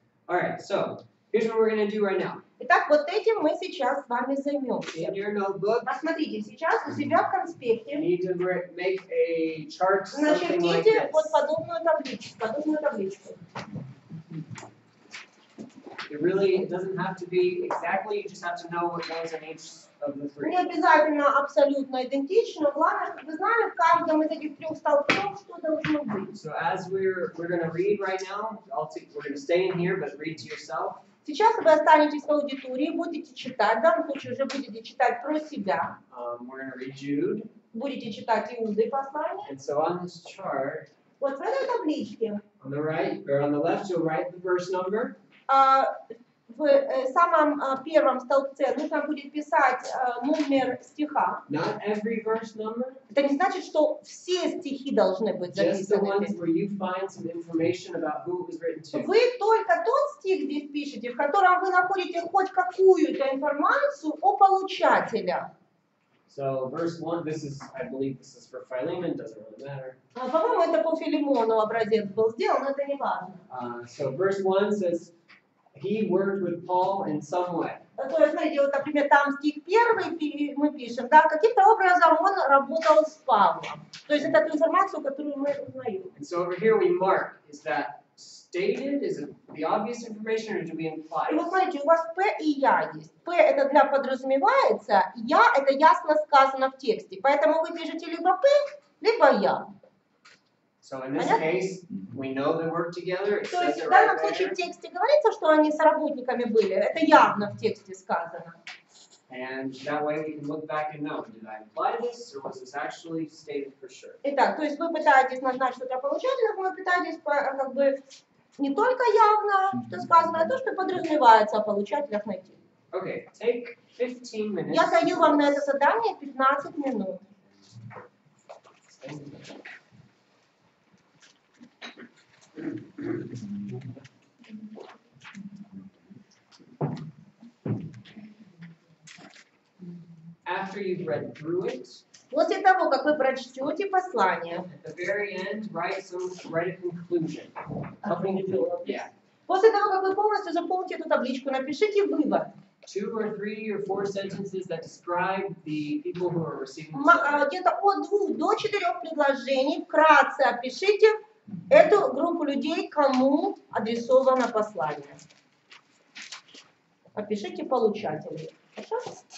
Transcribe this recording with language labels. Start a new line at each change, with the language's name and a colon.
English: All right, so here's what we're going to do right now.
Russian: Итак, вот этим мы сейчас с вами займемся.
English: In your notebook.
Russian: Посмотрите, сейчас у себя в конспекте.
English: You need to make a chart.
Russian: Начертите вот подобную табличку.
English: It really doesn't have to be exactly. You just have to know what goes in each of the three.
Russian: Не обязательно абсолютно идентично. Главное, чтобы вы знали, в каждом из этих трех столбцов что должно быть.
English: So as we're going to read right now, we're going to stay in here, but read to yourself.
Russian: Сейчас вы останетесь в аудитории, будете читать. В данном случае уже будете читать про себя.
English: We're going to read Jude.
Russian: Будете читать Иуды послание.
English: And so on this chart.
Russian: Вот в этой табличке.
English: On the right or on the left, you'll write the verse number.
Russian: В самом первом столбце нужно будет писать номер стиха.
English: Not every verse number.
Russian: Это не значит, что все стихи должны быть записаны. Вы только тот стих здесь пишете, в котором вы находите хоть какую-то информацию о получателе.
English: So verse 1, I believe this is for Philemon, doesn't really matter.
Russian: По-моему, это по Филимону образец был сделан, это не важно.
English: So verse 1 says he worked with Paul in some way.
Russian: То есть, знаете, вот, например, там стих первый мы пишем, да, каким-то образом он работал с Павлом. То есть это ту информацию, которую мы узнаем.
English: And so over here we mark, is that stated, is it the obvious information or do we imply?
Russian: И вот смотрите, у вас П и Я есть. П это для подразумевается, Я это ясно сказано в тексте. Поэтому вы пишете либо П, либо Я.
English: So in this case, we know they work together.
Russian: То есть в данном случае в тексте говорится, что они соработниками были. Это явно в тексте сказано.
English: And that way we can look back and know, did I imply this or was this actually stated for sure?
Russian: Итак, то есть вы пытаетесь назначить что-то получателем, вы пытаетесь как бы не только явно, что сказано, а то, что подразумевается о получателях найти.
English: Okay, take 15 minutes.
Russian: Я даю вам на это задание 15 минут.
English: After you've read through it,
Russian: после того, как вы прочтете послание,
English: at the very end, write a conclusion. Something to do. Yeah.
Russian: После того, как вы полностью заполните эту табличку, напишите вывод.
English: Two or three or four sentences that describe the people who are receiving.
Russian: Где-то от двух до четырех предложений вкратце опишите эту группу людей, кому адресовано послание. Опишите получателей. Хорошо?